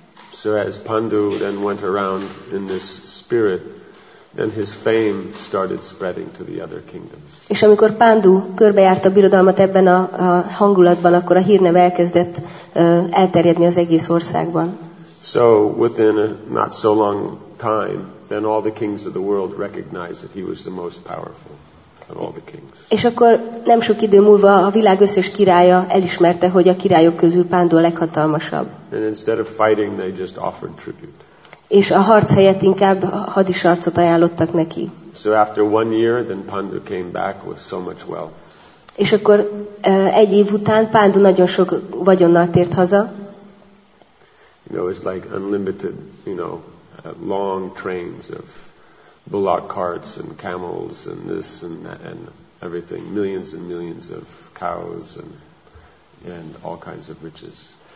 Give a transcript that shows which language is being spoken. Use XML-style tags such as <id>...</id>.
<en>So as Pandu then went around in this spirit, then his fame started spreading to the other kingdoms.</en> <hu>És amikor Pandu körbejárta a birodalmat ebben a hangulatban, akkor a hírneve elkezdett elterjedni az egész országban.</hu> <en>So within not so long time, then all the kings of the world recognized that he was the most powerful of all the kings.</en> <hu>És akkor nem sok idő múlva a világ összes királya elismerte, hogy a királyok közül Pándu a leghatalmasabb.</hu> <en>And instead of fighting, they just offered tribute.</en> <hu>És a harc helyett inkább hadisarcot ajánlottak neki.</hu> <en>So after one year, then Pandu came back with so much wealth.</en> <hu>És akkor egy év után Pándu nagyon sok vagyonnal tért haza.</hu> <en>You know, it's like unlimited, you know, long trains of bullock carts and camels and this and that and everything, millions and millions of cows and all kinds of riches.</en>